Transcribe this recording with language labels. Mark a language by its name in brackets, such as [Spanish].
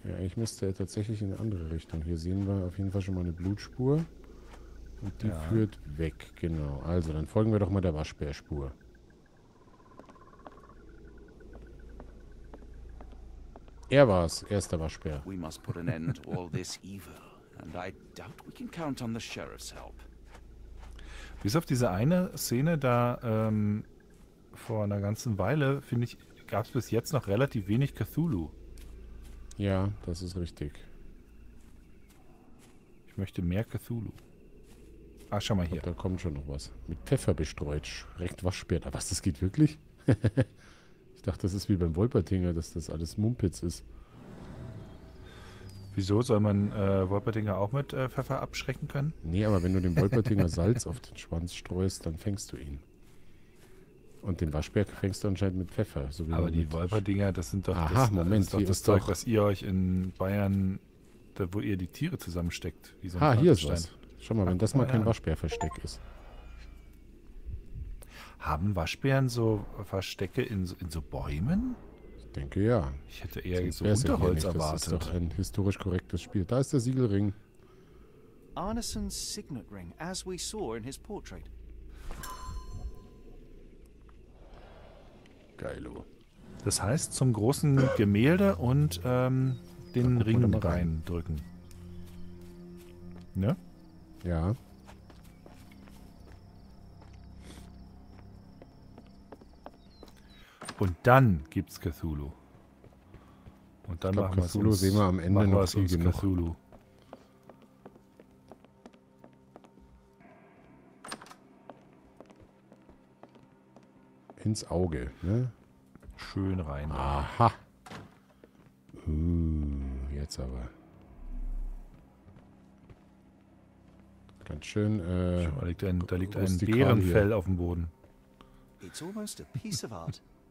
[German] Ja, ich müsste tatsächlich in eine andere Richtung. Hier sehen wir auf jeden Fall schon mal eine Blutspur. Und die führt weg, genau. Also, dann folgen wir doch mal der Waschbärspur. Er war es, er ist der Waschbär. [English] We must put an end to all this evil, and I doubt we can count on the sheriff's help. [German] Bis auf diese eine Szene da vor einer ganzen Weile, finde ich, gab es bis jetzt noch relativ wenig Cthulhu. Ja, das ist richtig. Ich möchte mehr Cthulhu. Ah, schau mal hier. Da kommt schon noch was. Mit Pfeffer bestreut, schreckt Waschbär. Aber was, das geht wirklich? Ich dachte, das ist wie beim Wolpertinger, dass das alles Mumpitz ist. Wieso soll man Wolpertinger auch mit Pfeffer abschrecken können? Nee, aber wenn du dem Wolpertinger Salz auf den Schwanz streust, dann fängst du ihn. Und den Waschbär fängst du anscheinend mit Pfeffer. So wie aber die mit Wolpertinger, das sind doch aha, das, Moment, das, ist doch das ist Zeug, doch, was ihr euch in Bayern, da, wo ihr die Tiere zusammensteckt. Wie so ein hier ist was. Schau mal, wenn das mal kein Waschbärversteck ist. Haben Waschbären so Verstecke in so Bäumen? Ich denke ja. Ich hätte eher so Unterholz erwartet. Das ist doch ein historisch korrektes Spiel. Da ist der Siegelring. [English] Arnesons Signet Ring, as we saw in his portrait. [German] Geilo. Das heißt, zum großen Gemälde und den Ring reindrücken. Ne? Ja. Und dann gibt's Cthulhu. Und dann machen wir Cthulhu, sehen wir am Ende noch viel genug. Cthulhu. Ins Auge, ne? Schön rein. Aha. Jetzt aber. Ganz schön. Da liegt ein Bärenfell hier auf dem Boden. [English] It's almost a piece of art.